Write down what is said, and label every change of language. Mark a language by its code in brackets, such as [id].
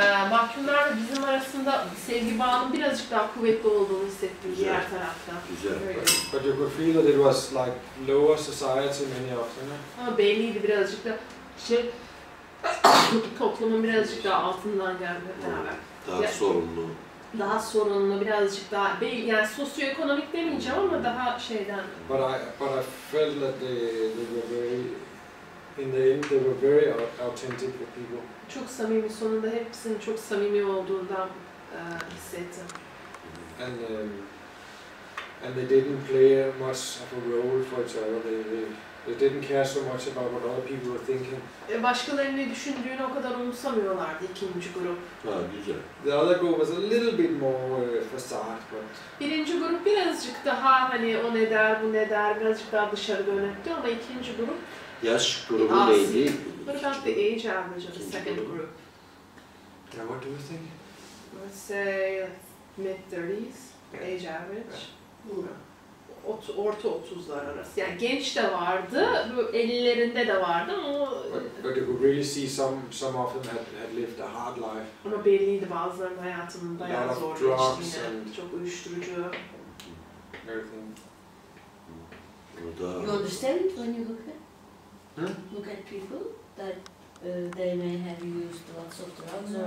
[tr] Mahkumlar bizim arasında sevgi bağının birazcık daha kuvvetli olduğunu hissettim güzel. Diğer tarafta. Güzel. [en] But you could feel that it was like lower society many of them. [tr] Ama belliydi birazcık da şey, toplumun birazcık daha altından geldi. Daha ya, sorunlu. Daha sorunlu, birazcık daha, yani sosyoekonomik demeyeceğim ama daha şeyden. [en] But I felt that they were very, in the end they were very authentic people. [tr] Çok samimi, sonunda hepsinin çok samimi olduğundan hissettim. [en] And they didn't play much of a role for each other. They didn't care so much about what other people were thinking. [tr] Başkalarının ne düşündüğünü o kadar umursamıyorlardı ikinci grup. Ha güzel. [en] The other group was a little bit more facade, but. [tr] Birinci grup birazcık daha hani o ne der bu ne der birazcık daha dışarı dönüktü ama ikinci grup. Yaş grubu neydi? [en] What about the age average of the second group? Yeah, what do you think? Let's say mid-30s, age average. [tr] Orta 30'lar arası. Yani genç de vardı, bu 50'lerinde de vardı ama... [en] But you could really see some of them had lived a hard life. [tr] Ama belliydi bazılarının hayatının bayağı zor geçtiğini. [en] And... [tr] Çok uyuşturucu. [en] Everything. [tr] Bu da... [en] You understand when you look at? Hmm? Look at people that they may have used lots of drugs or...